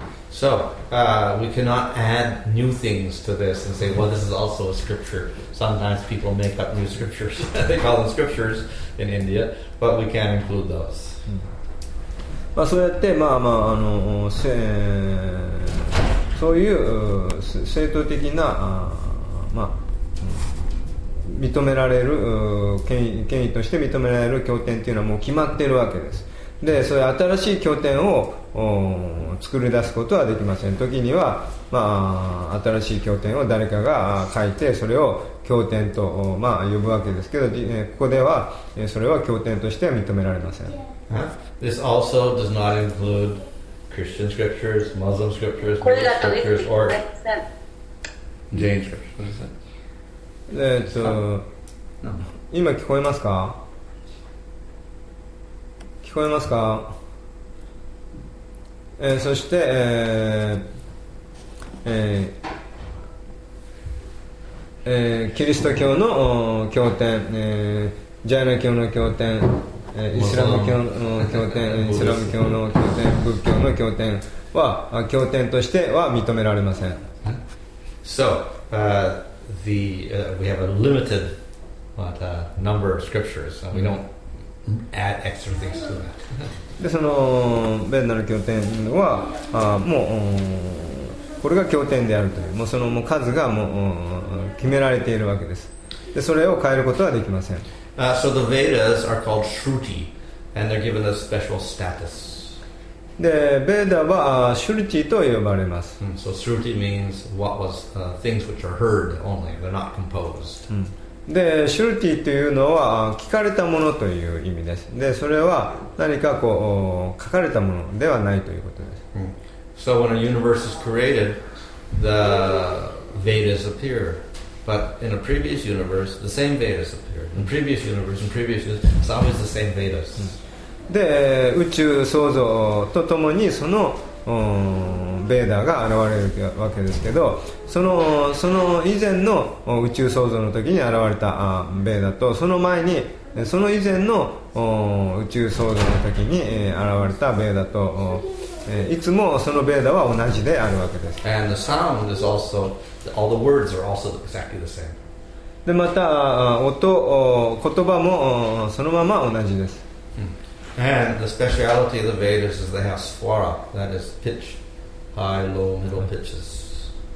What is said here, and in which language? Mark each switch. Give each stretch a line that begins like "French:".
English: So, we cannot add new things to this and say, well, this is also a scripture. Sometimes people make up new scriptures. They call them scriptures in India, but we can't include those.
Japanese: まあ、そうやって、まあまあ、あのそういう正当的な、まあ、認められる権威として認められる経典というのはもう決まっているわけです。でそういう新しい経典を作り出すことはできません。時には、まあ、新しい経典を誰かが書いてそれを経典と、まあ、呼ぶわけですけど、ここではそれは経典としては認められません。
English: This also does not include Christian scriptures, Muslim scriptures, Buddhist scriptures, or Jain scriptures. What is
Japanese: that? 今聞こえますか？聞こえますか？そして、キリスト教の経典、ジャイナ教の経典、イスラム教の経典、イスラム教の経典、仏教の経典は経典としては認められません。
English: So we have a limited number of scriptures, so we don'tAdd extra things to that.
Japanese: でそのベンナの経典はもうこれが経典であるという、もうそのもう数がもう決められているわけです。でそれを変えることはできません。
English: So the Vedas are called Shruti, and they're given a special status.
Japanese: でベーダはシュルティと呼ばれます。
English: So Shruti means what was things which are heard only, they're not composed.
Japanese: でシュルティというのは聞かれたものという意味です。でそれは何かこう書かれたものではないということです。
English: So when a universe is created, the Vedas appear. But in a previous universe, the same Vedas appear. In previous universe, in previous universe, it's always the same Vedas.
Japanese: で宇宙創造とともにそのベーダーが現れるわけですけど、その以前の宇宙創造の時に現れたベーダーと、その前にその以前の宇宙創造の時に現れたベーダーと、いつもそのベーダーは同じであるわけです。
English: And the sound is also, all the words are also exactly the same.
Japanese: でまた音、言葉もそのまま同じです。
English: And the speciality of the Vedas is they have swara, that is pitch, high, low, middle pitches.